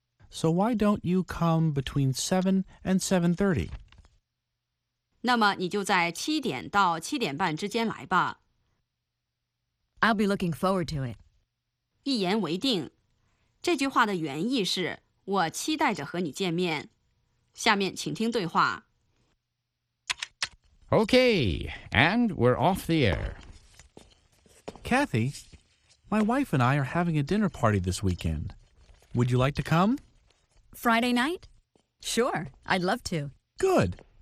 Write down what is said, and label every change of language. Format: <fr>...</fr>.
<en>So why don't you come between 7 and 7:30?</en> <zh>那么你就在七点到七点半之间来吧。</zh> <en>I'll be looking forward to it.</en> <zh>一言为定。这句话的原意是我期待着和你见面。下面请听对话。</zh> <en>Okay, and we're off the air. Cathy, my wife and I are having a dinner party this weekend. Would you like to come? Friday night? Sure, I'd love to. Good.</en>